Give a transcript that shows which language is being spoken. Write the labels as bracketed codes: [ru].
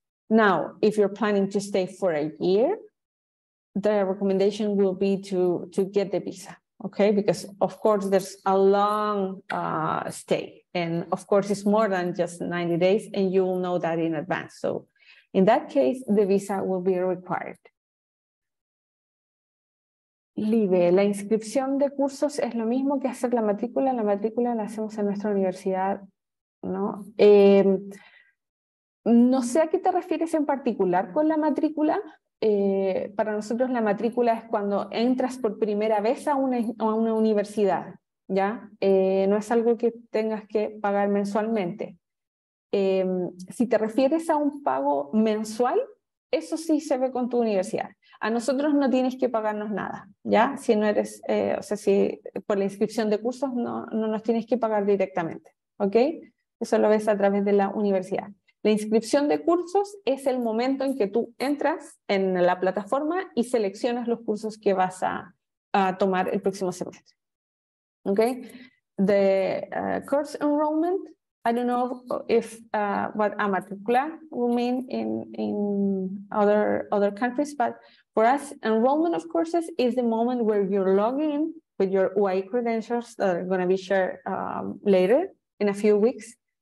[en] Now, if you're planning to stay for a year, the recommendation will be to get the visa, okay? Because of course, there's a long stay. And of course, it's more than just 90 days and you will know that in advance. So in that case, the visa will be required. [es] Live, la inscripción de cursos es lo mismo que hacer la matrícula la hacemos en nuestra universidad, ¿no? No sé a qué te refieres en particular con la matrícula. Para nosotros la matrícula es cuando entras por primera vez a una universidad, ¿ya? No es algo que tengas que pagar mensualmente. Si te refieres a un pago mensual, eso sí se ve con tu universidad. A nosotros no tienes que pagarnos nada, ¿ya? Si no eres, si por la inscripción de cursos no nos tienes que pagar directamente, ¿ok? Eso lo ves a través de la universidad. La inscripción de cursos es el momento en que tú entras en la plataforma y seleccionas los cursos que vas a tomar el próximo semestre, ¿ok? [en] The course enrollment, I don't know if what a matricula will mean in other countries, but for us, enrollment of courses is the moment where you're logging in with your UI credentials that are gonna be shared later in a few weeks.